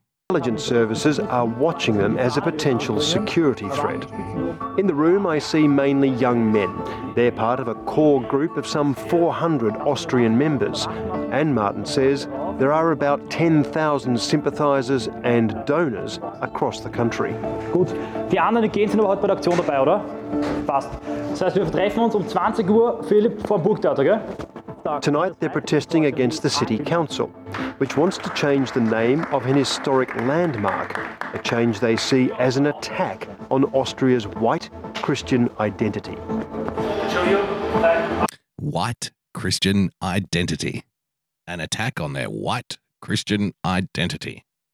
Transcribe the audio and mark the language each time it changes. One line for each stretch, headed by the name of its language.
English: Intelligence services are watching them as a potential security threat. In the room, I see mainly young men. They're part of a core group of some 400 Austrian members. And Martin says there are about 10,000 sympathisers and donors across the country.
German: Gut, die anderen gehen sind aber heute bei der Aktion dabei, oder? Fast. Das heißt, wir treffen uns 20 Uhr, Philipp, vor Burgtheater, gell?
English: Tonight, they're protesting against the city council, which wants to change the name of an historic landmark, a change they see as an attack on Austria's white Christian identity. White Christian identity. An attack on their white Christian identity.